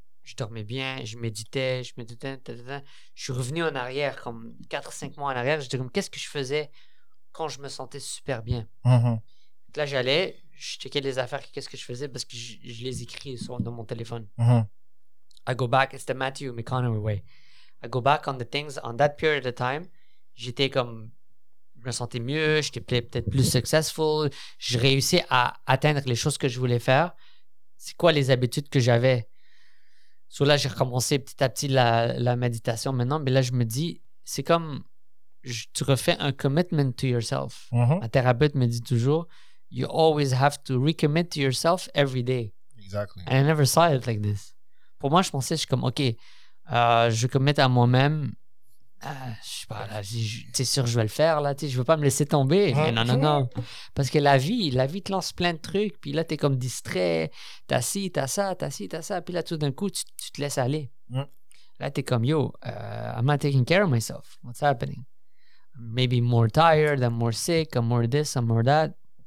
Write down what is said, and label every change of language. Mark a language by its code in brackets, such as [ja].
[fr] Je dormais bien, je méditais, je suis revenu en arrière, comme 4-5 mois en arrière, je dis comme, qu'est-ce que je faisais quand je me sentais super bien? Mm-hmm. Là, j'allais, je checkais les affaires, qu'est-ce que je faisais, parce que je les écris sur dans mon téléphone. Mm-hmm. [en] I go back, it's the Matthew McConaughey way. I go back on the things, on that period of time, [fr] j'étais comme... Je me sentais mieux, j'étais peut-être plus successful, je réussis à atteindre les choses que je voulais faire. C'est quoi les habitudes que j'avais? So là, j'ai recommencé petit à petit la méditation maintenant, mais là, je me dis, c'est comme tu refais un [en] commitment to yourself. Mm-hmm. [fr] Ma thérapeute me dit toujours, [en] you always have to recommit to yourself every day. Exactly. And I never saw it like this. [fr] Pour moi, je pensais, je suis comme, OK, je commit à moi-même. Je sais pas, là, t'es sûr que je vais le faire, là, t'sais, je veux pas me laisser tomber. Mais non. Parce que la vie te lance plein de trucs, puis là, t'es comme distrait, t'as ci, t'as ça, puis là, tout d'un coup, tu te laisses aller. Là, t'es comme, [en] yo, am I taking care of myself? What's happening? Maybe more tired, I'm more sick, I'm more this, I'm more that.